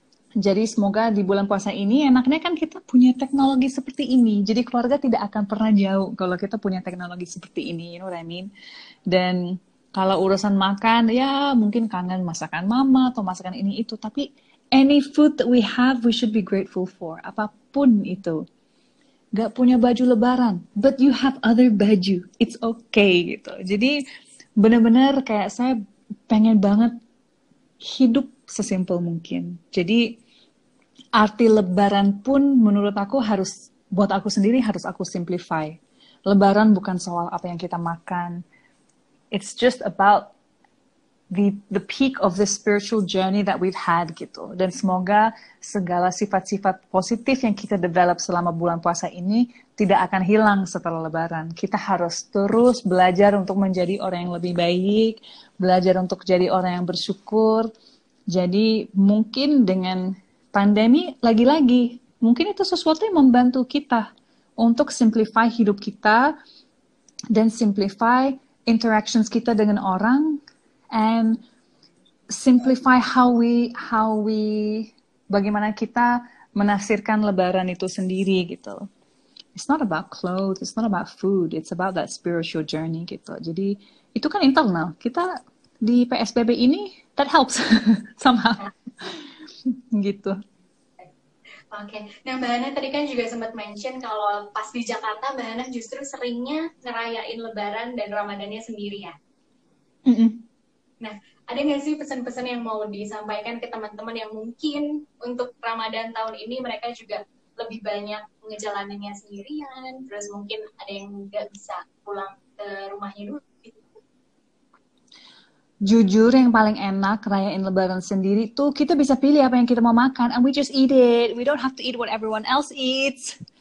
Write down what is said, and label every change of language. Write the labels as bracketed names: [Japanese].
[Indonesian] Jadi semoga di bulan puasa ini enaknya kan kita punya teknologi seperti ini. Jadi keluarga tidak akan pernah jauh kalau kita punya teknologi seperti ini. [English] You know what I mean? [Indonesian] Dan kalau urusan makan, ya mungkin kangen masakan mama atau masakan ini itu. [English] Tapi any food that we have, we should be grateful for. [Indonesian] Apapun itu. Gak punya baju Lebaran, [English] but you have other [Indonesian] baju. [English] It's okay [Indonesian] gitu. Jadi benar-benar kayak saya pengen banget hidup sesimpel mungkin. Jadi arti Lebaran pun menurut aku harus, buat aku sendiri harus aku simplify. Lebaran bukan soal apa yang kita makan. [English] It's just about the peak of the spiritual journey that we've had gitu. [Indonesian] Dan semoga segala sifat-sifat positif yang kita develop selama bulan puasa ini tidak akan hilang setelah Lebaran. Kita harus terus belajar untuk menjadi orang yang lebih baik, belajar untuk jadi orang yang bersyukur. Jadi mungkin dengan pandemi lagi-lagi, mungkin itu sesuatu yang membantu kita untuk simplify hidup kita dan simplify interactions kita dengan orang [English] and simplify how we [Indonesian] bagaimana kita menafsirkan Lebaran itu sendiri gitu. [English] It's not about clothes, it's not about food, it's about that spiritual journey gitu. [Indonesian] Jadi itu kan internal kita di PSBB ini, [English] that helps somehow [Indonesian] gitu. Oke, okay. Nah Mbak Hana tadi kan juga sempat mention kalau pas di Jakarta Mbak Hana justru seringnya ngerayain Lebaran dan Ramadannya sendiri ya. Nah, ada nggak sih pesan-pesan yang mau disampaikan ke teman-teman yang mungkin untuk Ramadan tahun ini mereka juga lebih banyak ngejalaninnya sendirian, terus mungkin ada yang nggak bisa pulang ke rumahnya dulu? Jujur yang paling enak rayain Lebaran sendiri tuh kita bisa pilih apa yang kita mau makan [English] and we just eat it. We don't have to eat what everyone else eats.